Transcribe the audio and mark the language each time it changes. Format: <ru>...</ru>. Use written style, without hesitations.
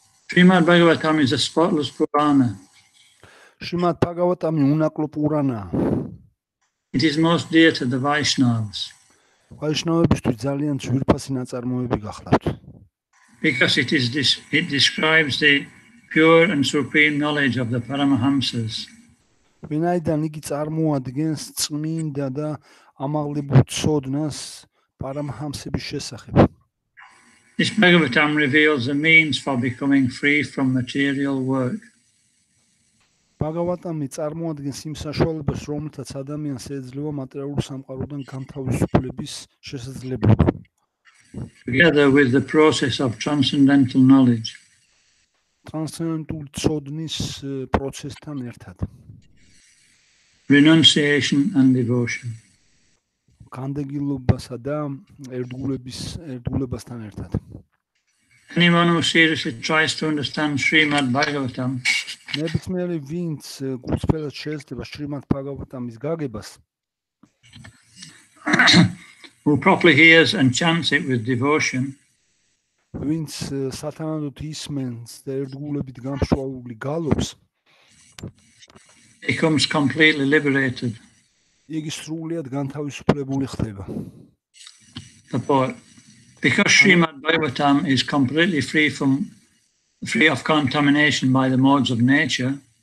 <en>Srimad Bhagavatam is a spotless Purana.</en> <ka>Srimad Bhagavatam unaklo Purana.</ka> <en>It is most dear to the Vaishnavas.</en> <ka>Vaishnavებისთვის ძალიან ძვირფასი ნაწარმოები გახლავთ.</ka> <en>Because it describes the pure and supreme knowledge of the Paramahamsas.</en> <ka>ვინაიდან იგი წარმოადგენს წმინდა და ამაღლებულ ცოდნას პარამჰამსების შესახებ.</ka> <en>This Bhagavatam reveals a means for becoming free from material work.</en> <ka>ბაგავატამ წარმოადგენს იმ საშუალებას, რომლითაც ადამიანს ეძლევა მატერიალური სამყაროდან განთავისუფლების შესაძლებლობა.</ka> <en>Together with the process of transcendental knowledge.</en> <ka>ტრანსცენდენტული ცოდნის პროცესთან ერთად.</ka> <en>Renunciation and devotion.</en> <ka>განდეგილობასა და ერთგულებასთან ერთად.</ka> <en>Anyone who seriously tries to understand Srimad Bhagavatam.</en> <ka>ნებისმიერი ვინც გულწრფელად შეეცდება შრიმად ბაგავატამის გაგებას.</ka> <en>Who properly hears and chants it with devotion.</en> <ka>ვინც სათანადოდ ისმენს და ერთგულებით გამშვალული გალობს.</ka> <en>Becomes completely liberated.</en> <ka>იგი სრულად განთავისუფლებული ხდება.</ka> <en>Because Srimad Bhagavatam is completely free of contamination by the modes of nature.</en>